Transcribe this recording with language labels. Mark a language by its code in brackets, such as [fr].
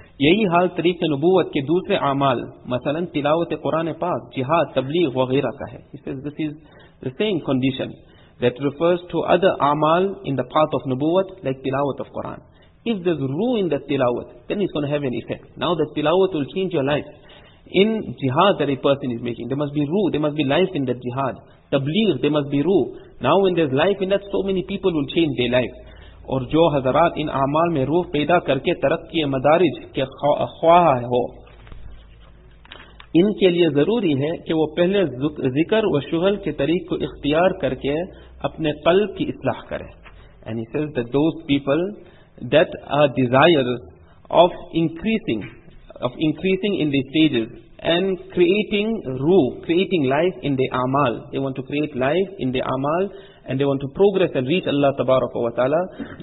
[ur] یہی حال طریق نبوت کے دوسرے اعمال مثلا تلاوت قرآن پاک جہاد تبلیغ وغیرہ کا ہے. [en] He says this is the same condition that refers to other a'mal in the path of nubuwat, like tilawat of Quran. If there's ruh in that tilawat, then it's going to have an effect. Now that tilawat will change your life. In jihad that a person is making, there must be ruh, there must be life in that jihad. Tabligh, there must be ruh. Now when there's life in that, so many people will change their life. [ur] اور جو حضرات ان اعمال میں روح پیدا کر کے ترقی مدارج کے خواہ ہو ان کے لیے ضروری ہے کہ وہ پہلے ذکر و شغل کے طریق کو اختیار کر کے اپنے قلب کی اصلاح کریں. [en] And he says that those people that are desirous of increasing of increasing in these stages and creating ruh, creating life in the amal. They want to create life in the amal and they want to progress and reach Allah tabaraka wa ta'ala.